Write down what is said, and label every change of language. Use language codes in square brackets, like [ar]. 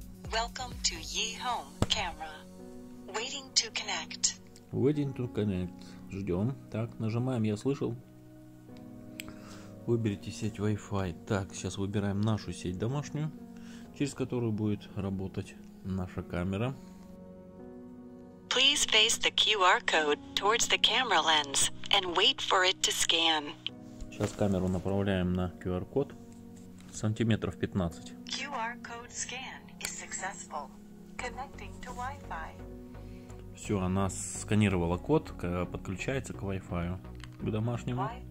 [en] Welcome to UE Home camera. Waiting to connect. Waiting to connect. [ru] Ждем. Так, нажимаем, я слышал. Выберите сеть Wi-Fi. Так, сейчас выбираем нашу сеть домашнюю, через которую будет работать наша камера. [en] Please face the QR code towards the camera lens and wait for it to scan. [ru] Сейчас камеру направляем на QR-код. Сантиметров 15. [en] QR-code scan is successful. Connecting to Wi-Fi. [ru] Все, она сканировала код, подключается к Wi-Fi, к домашнему.